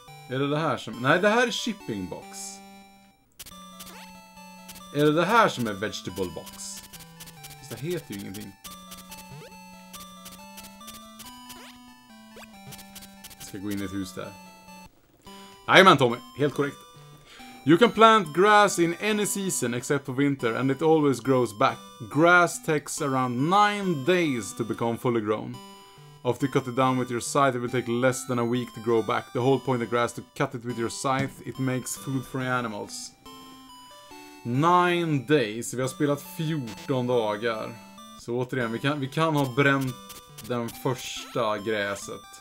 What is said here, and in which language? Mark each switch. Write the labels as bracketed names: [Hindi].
[Swedish] Är det här som... Nej, det här är shipping box. Är det här som är vegetable box? Det heter ju ingenting. Jag ska gå in i ett hus där. Jajamän, Tommy. Helt korrekt. [English] You can plant grass in any season except for winter and it always grows back. Grass takes around 9 days to become fully grown. After you cut it down with your scythe, it will take less than a week to grow back. The whole point of grass to cut it with your scythe, it makes food for animals. [Swedish] 9 days, vi har spelat 14 dagar. Så återigen, vi kan ha bränt den första gräset.